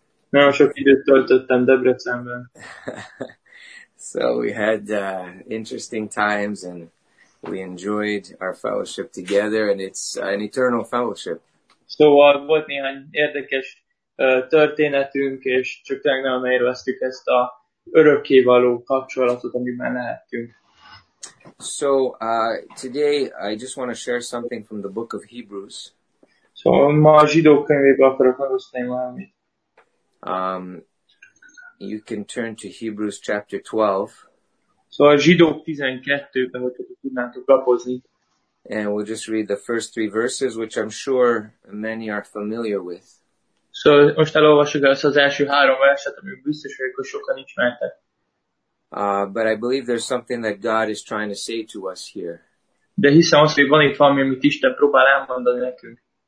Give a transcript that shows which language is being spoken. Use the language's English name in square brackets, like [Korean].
[Hungarian] Nagyon sok időt töltöttem Debrecenben. [English] So we had interesting times and we enjoyed our fellowship together, and it's an eternal fellowship. [Hungarian] So volt néhány érdekes történetünk, és csak tegnap élveztük ezt a örökké való kapcsolatot, amiben lehettünk. [English] So today I just want to share something from the book of Hebrews. [Hungarian] So ma a zsidó könyvéből akarok megosztani valamit. [English] You can turn to Hebrews chapter 12. [Hungarian] So a zsidók 12-ben, hogyha tudnátok lapozni. [English] And we'll just read the first three verses, which I'm sure many are familiar with. [Hungarian] So most elolvassuk ezt az első három verset, ami biztos, hogy sokan ismertek. [English] But I believe there's something that God is trying to say to us here. [Hungarian] De hiszem azt, hogy van itt valami, amit Isten próbál elmondani nekünk.